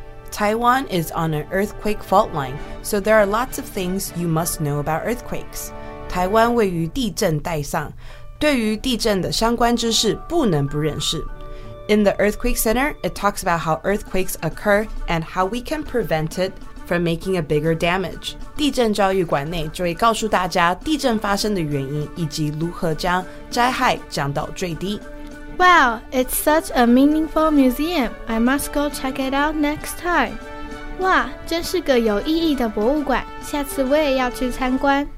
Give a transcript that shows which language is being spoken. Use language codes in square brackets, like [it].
[en] Taiwan is on an earthquake fault line, so there are lots of things you must know about earthquakes. [zh] 台湾位于地震带上，对于地震的相关知识不能不认识。 [en] In the Earthquake Center, it talks about how earthquakes occur and how we can prevent it. From making a bigger damage. [zh] 地震教育馆内就会告诉大家地震发生的原因以及如何将灾害降到最低。 [en] Wow, it's such a meaningful museum. I must go check it out next time. [zh] 哇，真是个有意义的博物馆，下次我也要去参观。